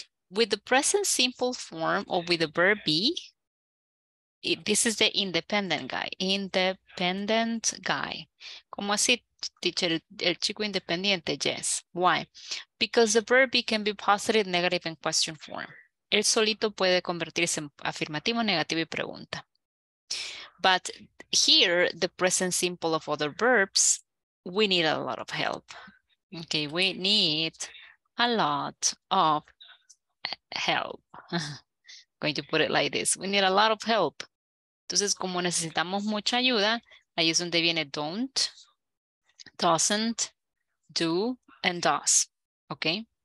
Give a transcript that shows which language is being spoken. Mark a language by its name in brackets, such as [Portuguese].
[English] With the present simple form or with the verb be, this is the independent guy, independent guy. [Spanish] ¿Cómo así, teacher? El chico independiente, yes. Why? [English] Because the verb be can be positive, negative, and question form. [Spanish] El solito puede convertirse en afirmativo, negativo, y pregunta. [English] But here, the present simple of other verbs, we need a lot of help. Okay, we need a lot of help. Going to put it like this. We need a lot of help. [Spanish] Entonces, como necesitamos mucha ayuda, ahí es donde viene don't, doesn't, do, and does, okay?